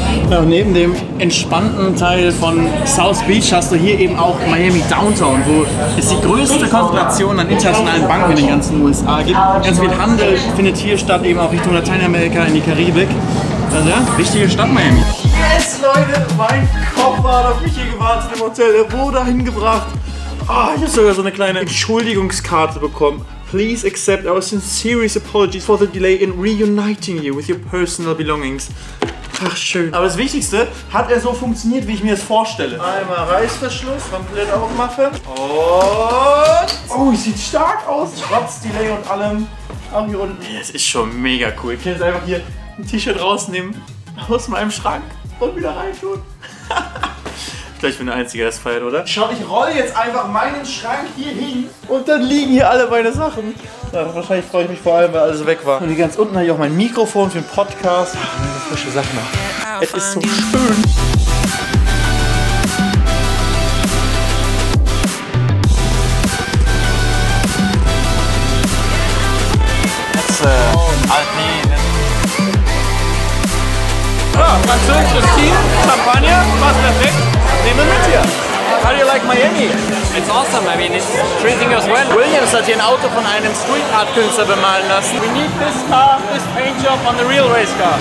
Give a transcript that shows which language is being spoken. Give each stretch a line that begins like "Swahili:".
German: Und neben dem entspannten Teil von South Beach hast du hier eben auch Miami Downtown, wo es die größte Konzentration an internationalen Banken in den ganzen USA gibt. Ganz viel Handel findet hier statt, eben auch Richtung Lateinamerika in die Karibik. Also ja, wichtige Stadt Miami. Yes, Leute, mein Kopf war auf mich hier gewartet im Hotel. Er wurde dahin gebracht. Oh, ich habe sogar so eine kleine Entschuldigungskarte bekommen.
English: Please accept our sincere apologies for the delay in reuniting you with your personal belongings.
German: Ach, schön. Aber das Wichtigste, hat er so funktioniert, wie ich mir das vorstelle? Einmal Reißverschluss, komplett aufmachen. Und... Oh, sieht stark aus, trotz Delay und allem. Auch hier unten. Das ist schon mega cool. Ich kann jetzt einfach hier ein T-Shirt rausnehmen, aus meinem Schrank und wieder reintun. Ich glaube, ich bin der Einzige, der das feiert, oder? Schau, ich rolle jetzt einfach meinen Schrank hier hin und dann liegen hier alle meine Sachen. Ja, wahrscheinlich freue ich mich vor allem, weil alles weg war. Und hier ganz unten habe ich auch mein Mikrofon für den Podcast. Ach, frische Sachen noch. Es ist so schön. Jetzt, Ja, französisches Team, Champagner, passt perfekt. Nehmen wir mit hier.
English: How do you like Miami? It's awesome. I mean, it's treating us well.
German: Williams hat hier ein Auto von einem Street Art Künstler bemalen lassen.
English: We need this car, this paint job on the real race car.